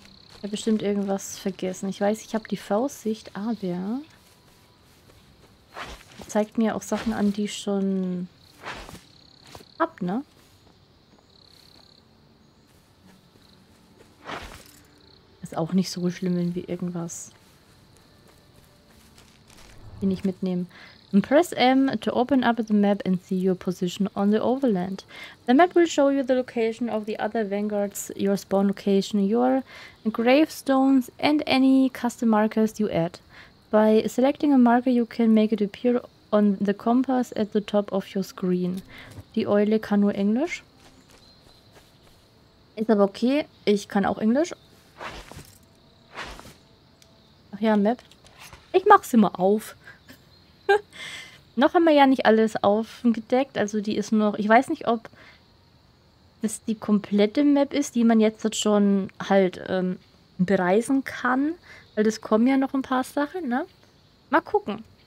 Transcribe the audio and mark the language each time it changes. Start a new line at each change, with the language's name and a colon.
German: Ich habe bestimmt irgendwas vergessen. Ich weiß, ich habe die V-Sicht, aber zeigt mir auch Sachen an, die ich schon hab, ne? Ist auch nicht so schlimm, wenn wir irgendwas hier nicht mitnehmen.
English: And press M to open up the map and see your position on the overland. The map will show you the location of the other vanguards, your spawn location, your gravestones and any custom markers you add. By selecting a marker you can make it appear on the compass at the top of your screen.
German: Die Eule kann nur Englisch. Ist aber okay, ich kann auch Englisch. Ach ja, Map. Ich mach's immer auf. Noch haben wir ja nicht alles aufgedeckt, also die ist noch, ich weiß nicht, ob das die komplette Map ist, die man jetzt schon halt bereisen kann, weil es kommen ja noch ein paar Sachen, ne? Mal gucken.